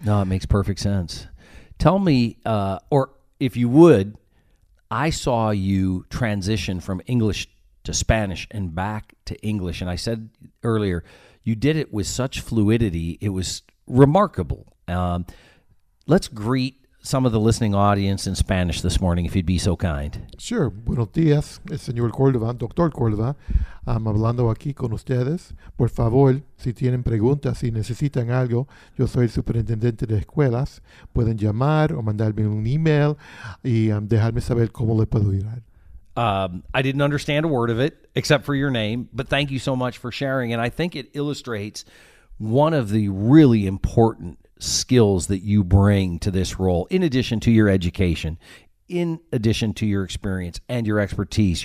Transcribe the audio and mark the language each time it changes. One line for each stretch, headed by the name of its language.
English: No, it makes perfect sense. Tell me, or if you would, I saw you transition from English to Spanish and back to English. And I said earlier, you did it with such fluidity. It was remarkable. Let's greet some of the listening audience in Spanish this morning, if you'd be so kind. Sure.
Spanish: Buenos días, señor Córdoba, doctor Córdoba.
English: I'm
Spanish: hablando aquí con ustedes. Por favor, si tienen preguntas, si necesitan algo, yo soy el superintendente de escuelas. Pueden llamar o mandarme un email y dejarme saber cómo les puedo ayudar.
English: I didn't understand a word of it, except for your name, but thank you so much for sharing. And I think it illustrates one of the really important skills that you bring to this role, in addition to your education, in addition to your experience and your expertise.